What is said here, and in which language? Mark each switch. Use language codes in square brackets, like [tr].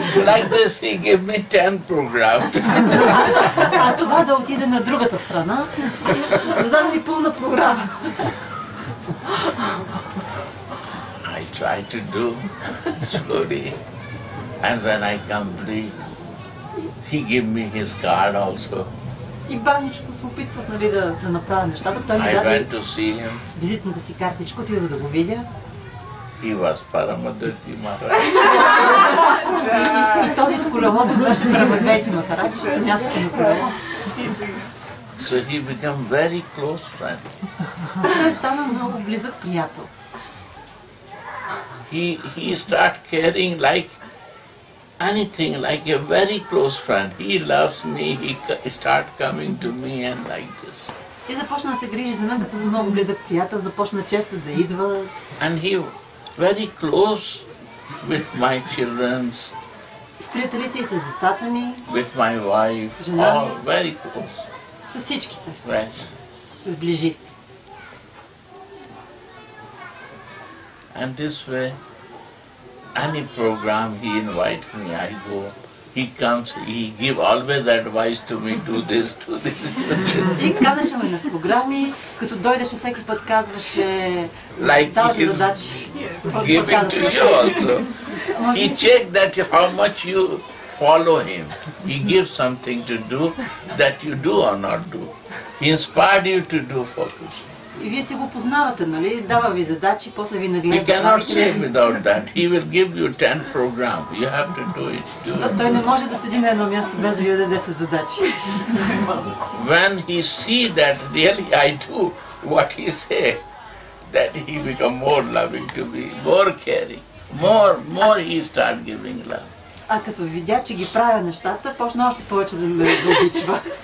[en] Like this, he gave me 10 programs. [bg] А това да отида на другата страна, зададе ми пълна програма. [en] I try to do slowly. And when I complete, he gave me his card also. [bg] И бавничко се опитвах, нали, да направя нещата. Той ми даде... [en] I went to see him. [bg] Визитната си картичка, отидох да го видя. [en] He was Paramadvaiti Maharaja. [bg] И този с колелото беше Paramadvaiti Maharaja, че съм ясно на колело. [en] So he became very close friend. [bg] Той стана много близък приятел. [en] He start caring like anything, like a very close friend. He loves me, he start coming to me and like this. [bg] И започна да се грижи за мен като за много близък приятел, започна често да идва. [en] And he very close with my children. [bg] С приятели си и с децата ми. [en] With my wife. [bg] Жена ми. [en] All very close. [bg] С всичките. [en] Right. [bg] С ближи. [en] And this way, any program he invites me, I go. He comes, he give always advice to me, do this. [bg] И канеше ме на програми, като дойдеше всеки път казваше, [en] like [bg] задачи. [en] Like it is giving to you also. He check that how much you follow him. He give something to do that you do or not do. He inspired you to do focus. [bg] И вие си го познавате, нали? Дава ви задачи, после ви нагледа. [en] He cannot say without that. He will give you 10 program. You have to do it. [bg] Той не може да седи на едно място без да ви даде 10 задачи. [en] When he see that really I do what he say, that he become more loving to me, more caring. More he start giving love. [bg] А като видя, че ги правя нещата, почна още повече да ме обичва.